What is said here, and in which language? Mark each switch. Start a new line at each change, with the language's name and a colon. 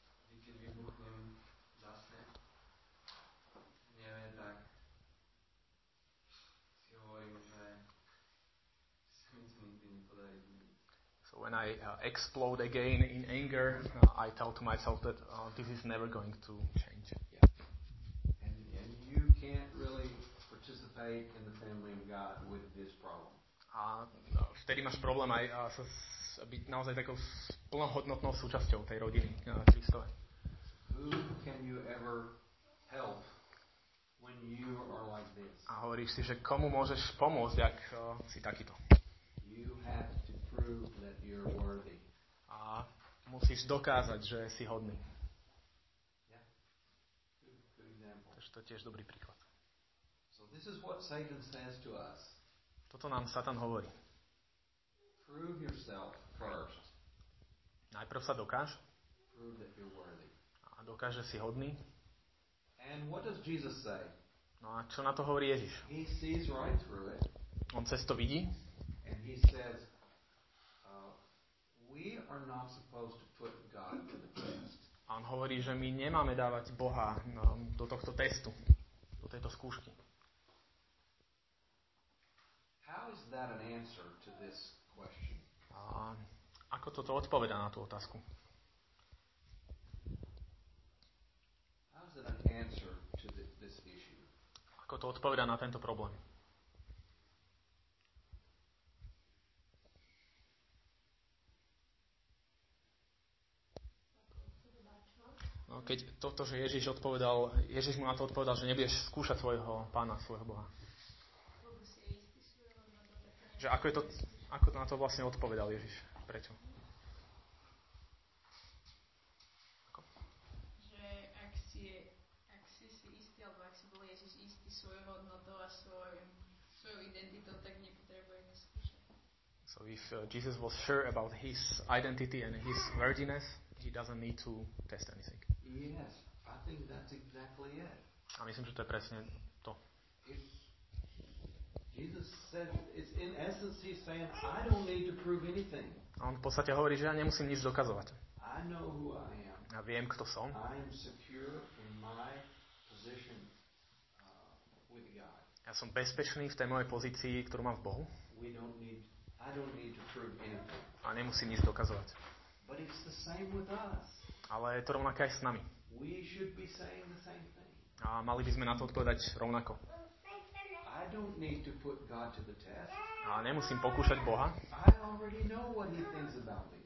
Slovak: Vždy keď vybuchnem zase, neviem, tak si hovorím, že si myslím, že nepodarí zmeniť.
English: So when I explode again in anger, I tell to myself that this is never going to change. Yeah. And you can't really participate in the family of God with this problem.
Slovak: A vtedy máš problém aj byť naozaj takou plnohodnotnou súčasťou tej rodiny Kristove.
English: Who can you ever help when you are like this?
Slovak: A hovoríš si, že komu môžeš pomôcť, ak si takýto.
English: You have to prove that you're worthy.
Slovak: A musíš dokázať, že si hodný.
English: Yeah. Good example.
Slovak: Takže to je tiež dobrý príklad.
English: So this is what Satan says to us.
Slovak: Toto nám Satan hovorí.
English: Prove yourself first.
Slovak: Najprv sa dokáž.
English: Prove that you're worthy.
Slovak: A dokáž, že si hodný.
English: And what does Jesus say?
Slovak: No a čo na to hovorí Ježiš?
English: He sees right through it.
Slovak: On cez to vidí.
English: And he says, we are not supposed to put God to the test.
Slovak: A on hovorí, že my nemáme dávať Boha do tohto testu, do tejto skúšky.
English: How is that an answer to this question?
Slovak: Ako toto odpovedá na tú otázku?
English: How is that an answer to this issue?
Slovak: Ako to odpovedá na tento problém? No keď toto, že Ježiš odpovedal, Ježiš mu na to odpovedal, že nebudeš skúšať svojho Pána, svojho Boha. Že ako je to, ako na to vlastne odpovedal Ježiš? Prečo? Ako? Že ak si istý, alebo ak si bol Ježiš istý svojou hodnotou a svojou identitou, tak nepotrebujeme skúšať.
English: So if Jesus was sure about his identity and his worthiness, he doesn't need to test anything. Yes, I think that's exactly it.
Slovak: A myslím, že to je presne to.
English: Jesus said, it's in essence he's saying, I don't need to prove anything.
Slovak: On v podstate hovorí, že ja nemusím nič dokazovať.
English: I know who I am.
Slovak: Ja viem, kto som.
English: I am secure in my position with God.
Slovak: Ja som bezpečný v tej mojej pozícii, ktorú mám v Bohu.
English: I don't need to prove anything.
Slovak: A nemusím nič dokazovať.
English: But it's the same with us.
Slovak: Ale je to rovnaké aj s nami.
English: We should be saying the same thing.
Slovak: A mali by sme na to odpovedať rovnako.
English: I don't need to put God to the test.
Slovak: A nemusím pokúšať Boha.
English: I already know what he thinks about me.